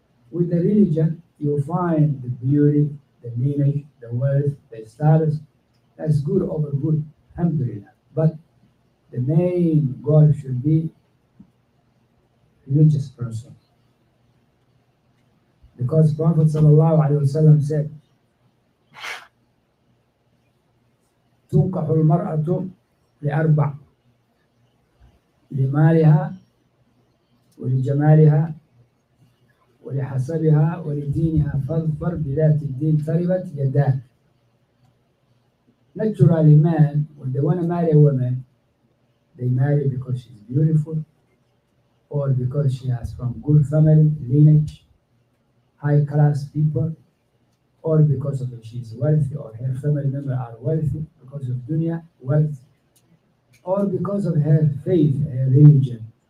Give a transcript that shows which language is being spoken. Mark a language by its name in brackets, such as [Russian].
[English] With the religion, you find the beauty, the lineage, the wealth, the status. That's good over good, alhamdulillah. But the main goal should be religious person. Because Prophet sallallahu alaihi wasallam said, [Arabic] تنكح المرأة لأربع لمالها ولجمالها ولحسبها ولدينها فاظفر بذات الدين طلبت يداك. [English] Naturally man, when they want to marry a woman, they marry because she's beautiful or because she has from good family lineage. high class people, or because of she's wealthy or her family members are wealthy because of dunya wealth, or because of her faith, her religion.